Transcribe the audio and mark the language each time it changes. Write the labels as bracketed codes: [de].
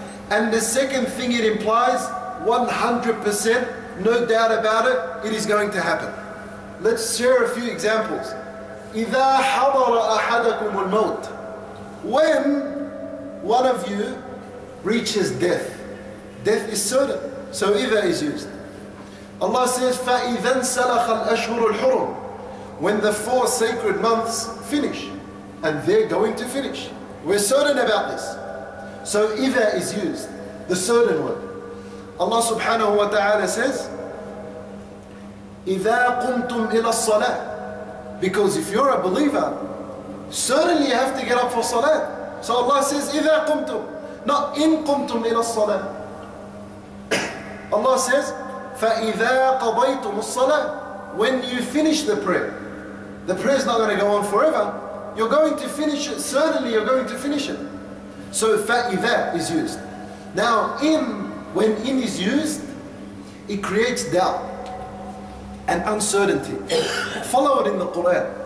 [en] And the second thing it implies, 100%, no doubt about it, it is going to happen. Let's share a few examples. [ar] إِذَا حَضَرَ أَحَدَكُمُ الْمَوْتِ. [en] When one of you reaches death, death is certain, so إِذَا is used. Allah says, [ar] فَإِذَنْ سَلَخَ الْأَشْهُرُ الْحُرُمُ. [en] When the four sacred months finish, and they're going to finish. We're certain about this. So إِذَا is used, the certain one. Allah subhanahu wa ta'ala says, [ar] إِذَا قُمْتُمْ إِلَى الصَّلَاةِ. [en] Because if you're a believer, certainly you have to get up for salat. So Allah says, [ar] إِذَا قُمْتُمْ, not إِن قُمْتُمْ إِلَى الصَّلَاةِ. [en] Allah says, [ar] فَإِذَا قَضَيْتُمُ الصَّلَاةِ. [en] when you finish the prayer, the prayer is not going to go on forever. You're going to finish it. Certainly, you're going to finish it. So fa'idah is used. Now, when in is used, it creates doubt and uncertainty. Follow it in the Quran.